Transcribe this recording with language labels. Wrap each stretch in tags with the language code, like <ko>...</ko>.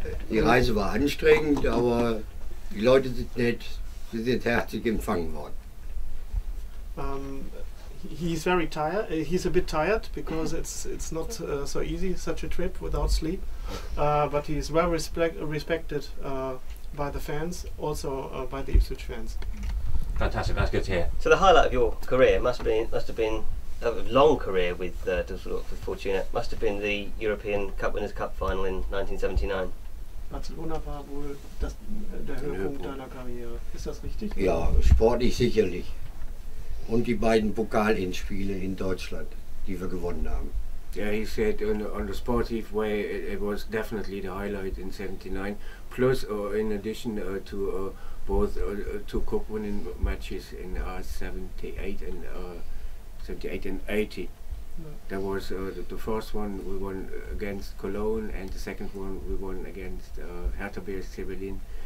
<de>Die Reise war anstrengend, aber die Leute sind nett, sie sind herzlich empfangen worden.</de> <en>He's very tired. He's a bit tired because it's not so easy, such a trip without sleep. But he is well respected by the fans, also by the Ipswich fans. Fantastic. That's good to hear. So the highlight of your career must have been a long career with Düsseldorf, with Fortuna. Must have been the European Cup Winners' Cup final in 1979.</en> <de>Barcelona war wohl das der Höhepunkt deiner Karriere. Ist das richtig? Ja, sportlich sicherlich. Und die beiden Pokal-Endspiele in Deutschland, die wir gewonnen haben.</de> <en>Yeah, he said on the sportive way, it was definitely the highlight in 79. Plus, in addition to both two cup winning matches in 78 and 78 and 80. Yeah. That was the first one we won against Cologne, and the second one we won against Hertha BSC Berlin.</en>